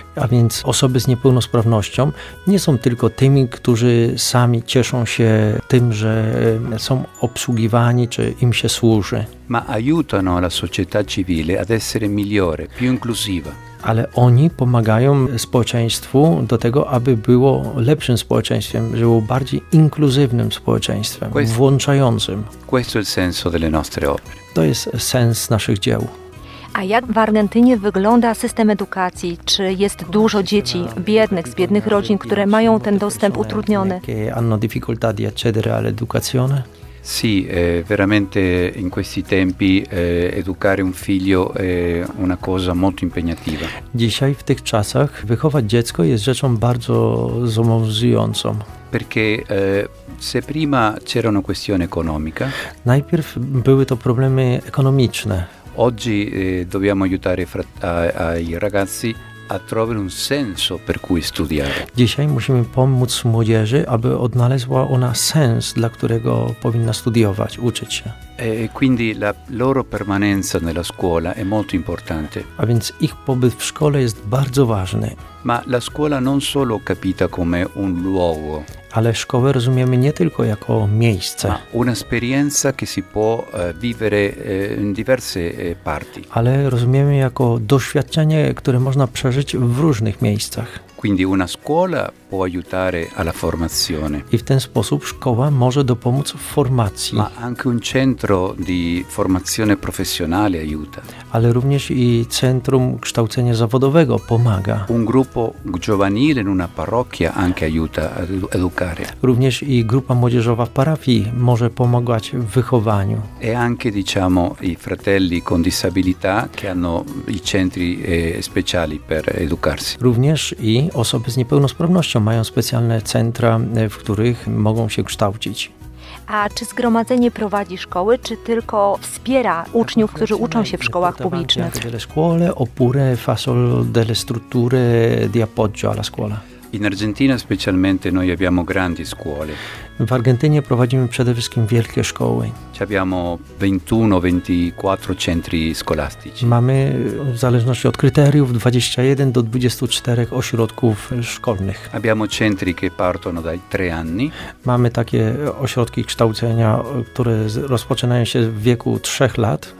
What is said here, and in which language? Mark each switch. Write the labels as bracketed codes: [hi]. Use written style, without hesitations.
[pl] A więc osoby z niepełnosprawnością nie są tylko tymi, którzy sami cieszą się tym, że są obsługiwani, czy im się służy. [it] Ma aiutano la società civile ad essere migliore, più inclusiva. [pl] Ale oni pomagają społeczeństwu do tego, aby było lepszym społeczeństwem, żeby było bardziej inkluzywnym społeczeństwem, włączającym. [it] Questo è il senso delle nostre opere. [pl] To jest sens naszych dzieł. A jak w Argentynie wygląda system edukacji? Czy jest dużo dzieci biednych, z biednych rodzin, które mają ten dostęp utrudniony? [it] Che hanno difficoltà di accedere all'educazione? Sì, veramente in questi tempi educare un figlio è una cosa molto impegnativa. [pl] Dzisiaj w tych czasach wychować dziecko jest rzeczą bardzo zmęczającą. [it] Perché se prima c'era una questione economica. [pl] Najpierw były to problemy ekonomiczne. [it] Oggi dobbiamo aiutare ai ragazzi a trovare un senso per cui studiare. [pl] Dzisiaj musimy pomóc młodzieży, aby odnalazła ona sens, dla którego powinna studiować, uczyć się. [it] E quindi la loro permanenza nella scuola è molto importante. [pl] A więc ich pobyt w szkole jest bardzo ważny. [it] Ma la scuola non solo capita come un luogo. [pl] Ale szkołę rozumiemy nie tylko jako miejsce. [it] Ma un'esperienza che si può vivere in diverse parti. [pl] Ale rozumiemy jako doświadczenie, które można przeżyć w różnych miejscach. [it] Quindi una scuola può aiutare alla formazione. [pl] I w ten sposób szkoła może dopomóc w formacji. [it] Ma anche un centro di formazione professionale aiuta. [pl] Ale również i centrum kształcenia zawodowego pomaga. [it] Un gruppo giovanile in una parrocchia anche aiuta a educare. [pl] Również i grupa młodzieżowa w parafii może pomagać w wychowaniu. [it] E anche diciamo i fratelli con disabilità che hanno i centri speciali per educarsi. [pl] Również i osoby z niepełnosprawnością mają specjalne centra, w których mogą się kształcić. A czy zgromadzenie prowadzi szkoły, czy tylko wspiera uczniów, którzy uczą się w szkołach publicznych? [it] Le scuole oppure fa solo delle strutture di appoggio alla scuola. In Argentina specialmente noi abbiamo grandi scuole. [pl] W Argentynie prowadzimy przede wszystkim wielkie szkoły. [it] Ci abbiamo 21-24 centri scolastici. [pl] Mamy w zależności od kryteriów 21 do 24 ośrodków szkolnych. [it] Abbiamo centri che partono dai 3 anni. [pl] Mamy takie ośrodki kształcenia, które rozpoczynają się w wieku 3 lat.